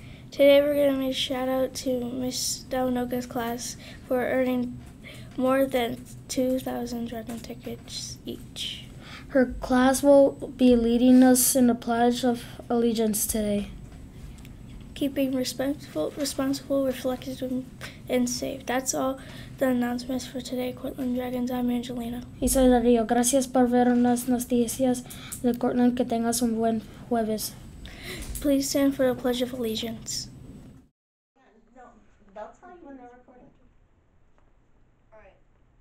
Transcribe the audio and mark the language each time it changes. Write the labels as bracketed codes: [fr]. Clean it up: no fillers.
[en] Today we're going to make a shout out to Ms. Dawanoga's class for earning more than 2,000 dragon tickets each. Her class will be leading us in the Pledge of Allegiance today. Keeping respectful, responsible, reflective, and safe. That's all the announcements for today, Cortland Dragons. I'm Angelina. [es] Y soy Darío. Gracias por ver las noticias de Cortland. Que tengas un buen jueves. [en] Please stand for the Pledge of Allegiance. No, that's fine when they're recording. All right.